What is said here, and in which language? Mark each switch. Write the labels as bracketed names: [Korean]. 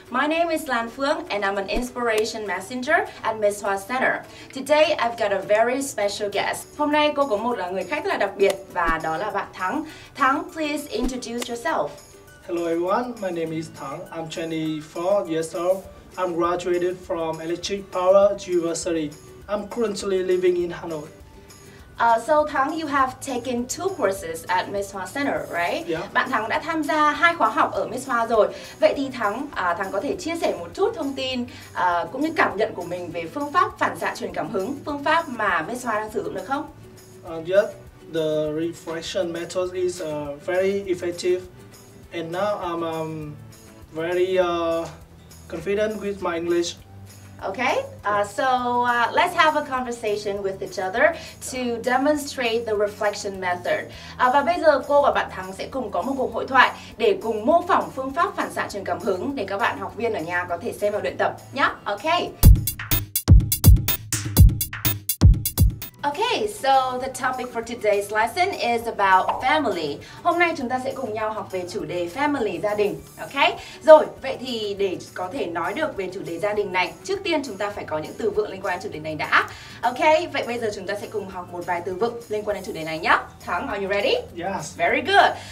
[English] My name is Lan Phương and I'm an inspiration messenger at Ms. Hoa Center. Today I've got a very special guest. [Vietnamese] Hôm nay cô có một người khách rất là đặc biệt và đó là bạn Thắng. [English] Thắng, please introduce yourself. Hello everyone, my name is Thắng. I'm 24 years old. I'm graduated from Electric Power University. I'm currently living in Hanoi. So Thắng, you have taken two courses at Ms. Hoa Center, right? Yeah. [Vietnamese] Bạn Thắng đã tham gia hai khóa học ở Ms. Hoa rồi. Vậy thì Thắng, Thắng có thể chia sẻ một chút thông tin cũng như cảm nhận của mình về phương pháp phản xạ truyền cảm hứng, phương pháp mà Ms. Hoa đang sử dụng được không? [English] Yes, the reflection method is very effective. And now I'm very confident with my English. Okay, let's have a conversation with each other to demonstrate the reflection method. [Vietnamese] Và bây giờ cô và bạn Thắng sẽ cùng có một cuộc hội thoại để cùng mô phỏng phương pháp phản xạ truyền cảm hứng để các bạn học viên ở nhà có thể xem và luyện tập nhé. [English] Okay. Okay, so the topic for today's lesson is about family. [Vietnamese] Hôm nay chúng ta sẽ cùng nhau học về chủ đề family, gia đình. Okay? Rồi, vậy thì để có thể nói được về chủ đề gia đình này, trước tiên chúng ta phải có những từ vựng liên quan đến chủ đề này đã. Okay, vậy bây giờ chúng ta sẽ cùng học một vài từ vựng liên quan đến chủ đề này nhé. [English] Thắng, are you ready? Yes. Very good.